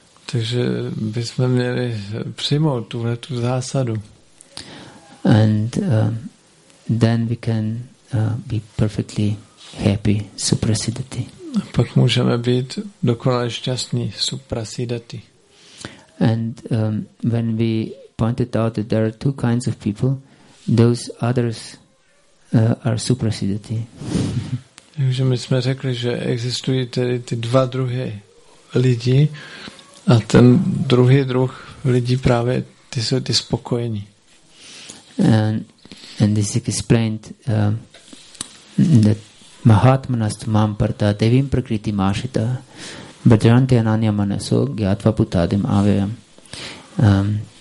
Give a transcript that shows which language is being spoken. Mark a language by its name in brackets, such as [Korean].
[Czech] Takže bychom měli přijmout tuhle tu zásadu. [English] And then we can be perfectly happy, suprasiddhati. [Czech] A pak můžeme být dokonale šťastní, suprasiddhati. [English] And when we pointed out that there are two kinds of people, those others are suprasiddhati. [Czech] Takže my jsme řekli, že existují tedy ty dva druhy lidí a ten druhý druh lidí právě ty jsou ty spokojení. [English] And this is explained that [Sanskrit] mahatmanas tumam parta devim prakriti mashita bhajante ananya manaso gyatva putadim avayam.